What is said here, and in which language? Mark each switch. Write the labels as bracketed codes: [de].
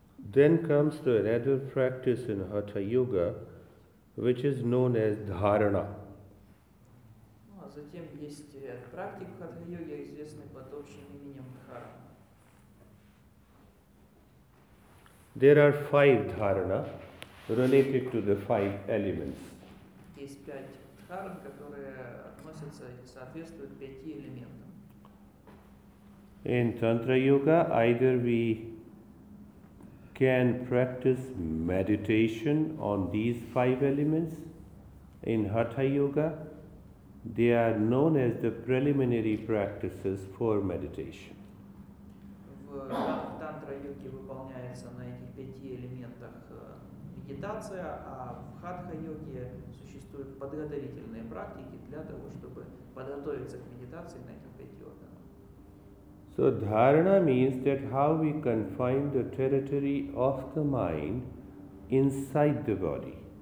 [en] Then comes to another practice in Hatha Yoga, which is known as Dharana. [ru] Затем есть практика Хатха Йоги, известная под общим именем Дхарана. [en] There are five Dharana related to the five elements. [ru] Есть пять Дхаран, которые относятся и соответствуют пяти элементам. [en] In Tantra Yoga, either we can practice meditation on these five elements. In Hatha Yoga, they are known as the preliminary practices for meditation. [ru] В Тантра Йоге выполняется на этих пяти элементах медитация, а в Хатха Йоге существуют подготовительные практики для того, чтобы подготовиться к медитации на этих пяти органах. [en] So dharana means that how we confine the territory of the mind inside the body.